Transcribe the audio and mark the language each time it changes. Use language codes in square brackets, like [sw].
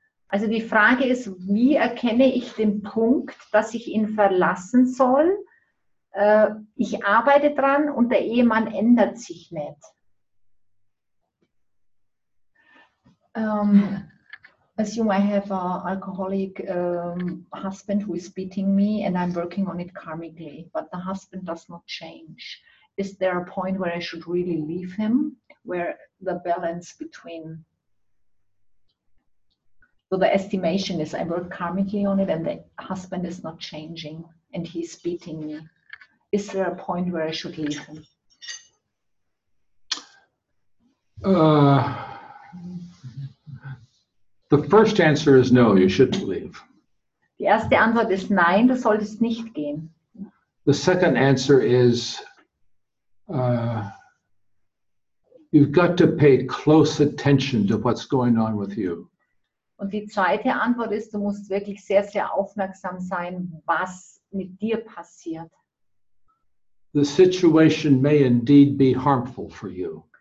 [de] Also die Frage ist, wie erkenne ich den Punkt, dass ich ihn verlassen soll? Ich arbeite dran und der Ehemann ändert sich nicht. [en] Assume I have an alcoholic husband who is beating me and I'm working on it karmically, but the husband does not change. Is there a point where I should really leave him, where the balance between... So the estimation is I work karmically on it and the husband is not changing and he's beating me. Is there a point where I should leave him? The first answer is no, you shouldn't leave. [de] Die erste Antwort ist nein, du solltest nicht gehen. [en] The second answer is you've got to pay close attention to what's going on with you. [de] Und die zweite Antwort ist, du musst wirklich sehr, sehr aufmerksam sein, was mit dir passiert. [en] The situation may indeed be harmful for you.